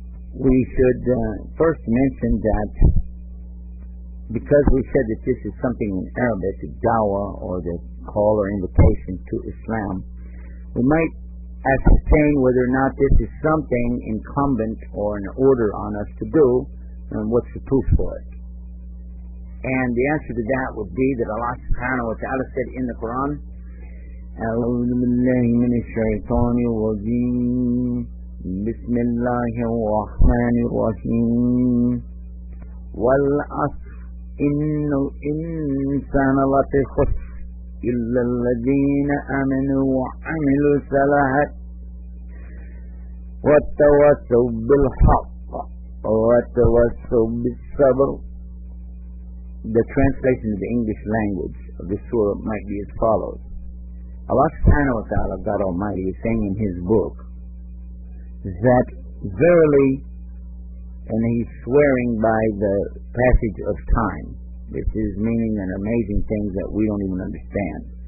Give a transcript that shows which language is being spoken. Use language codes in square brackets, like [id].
[en] We should first mention that because we said that this is something in Arabic, the dawah or the call or invitation to Islam, we might ascertain whether or not this is something incumbent or an order on us to do, and what's the proof for it. And the answer to that would be that Allah subhanahu wa ta'ala said in the Quran, [ar] أعوذ بالله من الشيطان الرجيم بسم الله الرحمن الرحيم والعصر إن الإنسان لفي خسر إلا الذين آمنوا وعملوا الصالحات وتواصوا بالحق وتواصوا بالصبر. [en] The translation of the English language of this surah might be as follows. Allah subhanahu wa ta'ala, God Almighty, is saying in his book that verily, and he's swearing by the passage of time, this is meaning an amazing thing that we don't even understand.